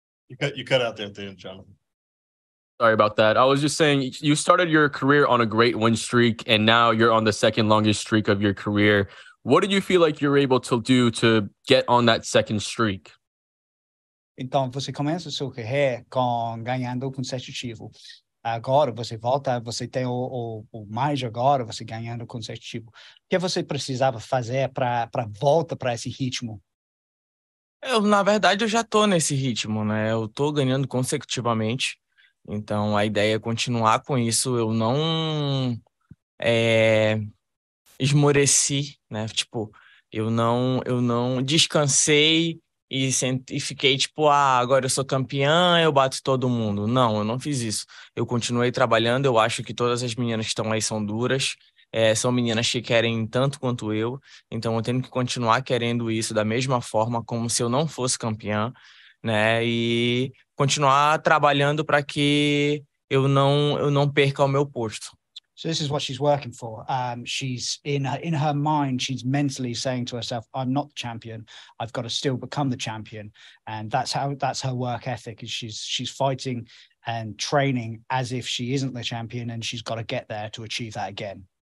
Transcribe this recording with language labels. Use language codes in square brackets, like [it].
[en] You cut out there at the end, Jonathan. Sorry about that. I was just saying, you started your career on a great win streak, and now you're on the second longest streak of your career. What did you feel like you were able to do to get on that second streak? [pt] Então, você começa a sua carreira ganhando consecutivo. Agora, você volta, você tem o mais agora, você ganhando consecutivo. O que você precisava fazer para voltar para esse ritmo? Na verdade, eu já tô nesse ritmo, né? Eu tô ganhando consecutivamente. Então, a ideia é continuar com isso. Eu não esmoreci, né? Tipo, eu não descansei e fiquei tipo, agora eu sou campeã, eu bato todo mundo. Não, eu não fiz isso. Eu continuei trabalhando, eu acho que todas as meninas que estão aí são duras. São meninas que querem tanto quanto eu, então eu tenho que continuar querendo isso da mesma forma, como se eu não fosse campeã, né? E continuar trabalhando para que eu não perca o meu posto. [en] So this is what she's working for. She's in her mind, she's mentally saying to herself, I'm not the champion, I've got to still become the champion. And that's her work ethic, is she's fighting and training as if she isn't the champion, and she's got to get there to achieve that again.